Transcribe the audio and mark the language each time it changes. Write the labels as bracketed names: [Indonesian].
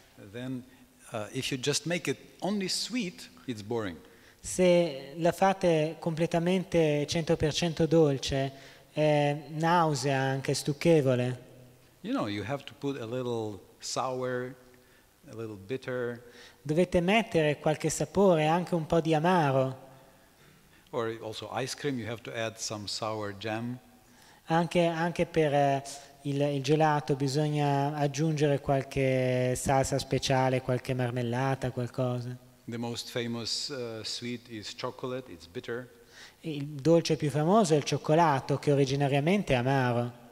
[English] Then, if you just make it only sweet, it's boring. [Italian] Se la fate completamente 100% dolce, è nausea anche stucchevole. [English] You know, you have to put a little sour, a little bitter. [Italian] Dovete mettere qualche sapore, anche un po' di amaro. [English] Or also ice cream, you have to add some sour jam. [Italian] Anche per il gelato bisogna aggiungere qualche salsa speciale, qualche marmellata, qualcosa. [English] The most famous sweet is chocolate, it's bitter. [Italian] Il dolce più famoso è il cioccolato, che originariamente è amaro.